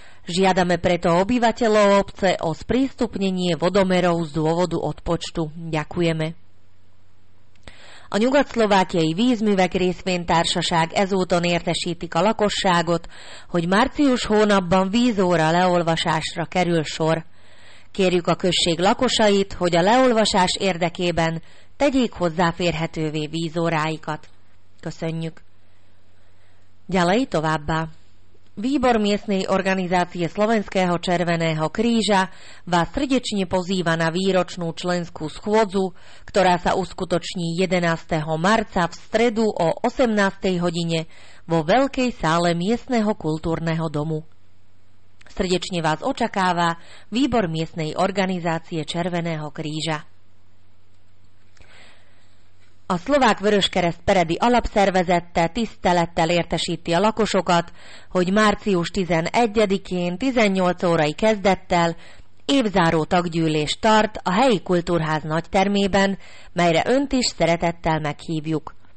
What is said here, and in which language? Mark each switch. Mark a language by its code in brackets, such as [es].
[sk] Žiadame preto obyvateľov obce o sprístupnenie vodomerov z dôvodu odpočtu. Ďakujeme. [hu] A Nyugat-Szlovákiai Vízművek részvénytársaság ezúton értesítik a lakosságot, hogy március hónapban vízóra leolvasásra kerül sor. Kérjük a község lakosait, hogy a leolvasás érdekében tegyék hozzáférhetővé vízóráikat. Köszönjük. [sk] Ďalej [hu] továbbá. [sk] Výbor miestnej organizácie Slovenského Červeného kríža vás srdečne pozýva na výročnú členskú schôdzu, ktorá sa uskutoční 11. marca v stredu o 18. hodine vo veľkej sále miestneho kultúrneho domu. Srdečne vás očakáva výbor miestnej organizácie Červeného kríža. [hu] A szlovák vöröskereszt peredi alapszervezette tisztelettel értesíti a lakosokat, hogy március 11-én 18 órai kezdettel évzáró taggyűlés tart a helyi kultúrház nagytermében, melyre önt is szeretettel meghívjuk.